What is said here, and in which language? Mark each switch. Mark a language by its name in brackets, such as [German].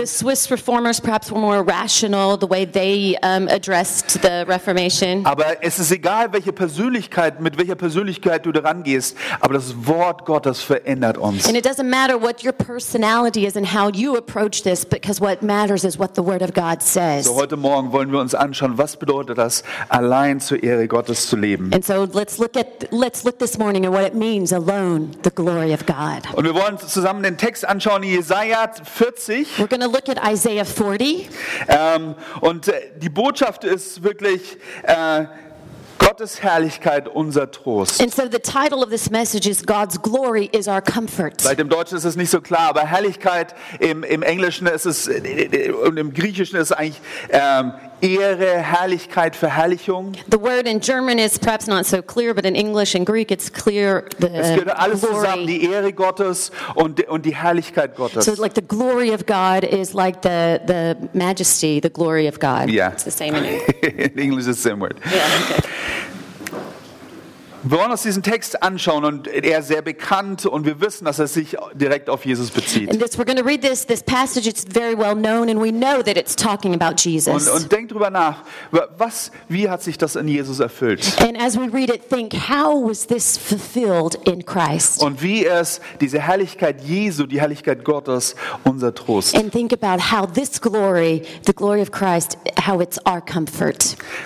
[English] The Swiss reformers perhaps were more rational the way they addressed the Reformation. [German] Aber es ist egal, welche Persönlichkeit, mit welcher Persönlichkeit du da rangehst, aber das Wort Gottes verändert uns. [English] And it doesn't matter what your personality is and how you approach this, because what matters is what the Word of God says. [German] So heute Morgen wollen wir uns anschauen, was bedeutet das, allein zur Ehre Gottes zu leben. [English] And so let's look this morning at what it means, alone, the glory of God. [German] Und wir wollen zusammen den Text anschauen, Jesaja 40. [English] We're going to look at Isaiah 40. [German] Und die Botschaft ist wirklich Gottes Herrlichkeit, unser Trost. [English] And so the title of this message is God's glory is our comfort. [German] Bei dem Deutschen ist es nicht so klar, aber Herrlichkeit im Englischen ist es und im Griechischen ist es eigentlich Ehre, Herrlichkeit, Verherrlichung. [English] The word in German is perhaps not so clear, but in English and Greek it's clear. [German] Es gehört alles glory. Zusammen, die Ehre Gottes und die Herrlichkeit Gottes. [English] So like the glory of God is like the majesty, the glory of God. Yeah. It's the same in English. In English it's the same word. Yeah. [German] Wir wollen uns diesen Text anschauen und er ist sehr bekannt und wir wissen, dass er sich direkt auf Jesus bezieht. [English] And this, we're going to read this passage, it's very well known and we know that it's talking about Jesus. [German] Und denk drüber nach, wie hat sich das in Jesus erfüllt? [English] And as we read it, think, how was this fulfilled in Christ? [German] Und wie ist diese Herrlichkeit Jesu, die Herrlichkeit Gottes, unser Trost? [English] And think about how this glory, the glory of Christ, how it's our comfort.